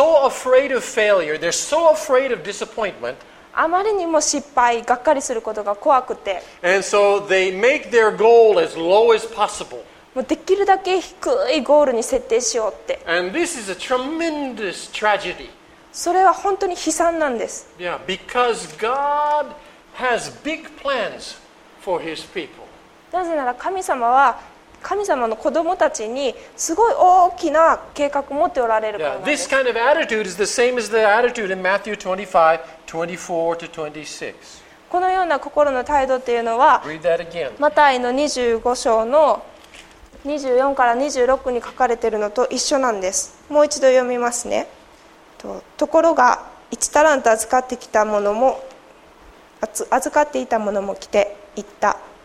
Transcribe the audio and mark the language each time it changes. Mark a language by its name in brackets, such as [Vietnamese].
[English] They're so afraid of failure. They're so afraid of disappointment. [Japanese] あまりにも失敗、がっかりすることが怖くて。 [English] And so they make their goal as low as possible. [Japanese] もうできるだけ低いゴールに設定しようって。 [English] And this is a tremendous tragedy. [Japanese] それは本当に悲惨なんです。 [English] Yeah, because God has big plans for his people. [Japanese] なぜなら神様は神様の子供たちにすごい大きな計画を持っておられるからなんです。 [English] Yeah, this kind of attitude is the same as the attitude in Matthew 25:24-26. [Japanese] このような心の態度っていうのはマタイの25章の24から26に書かれているのと一緒なんです。もう一度読みますね。ところが1タラント預かってきたものも預かっていたものも来て言った。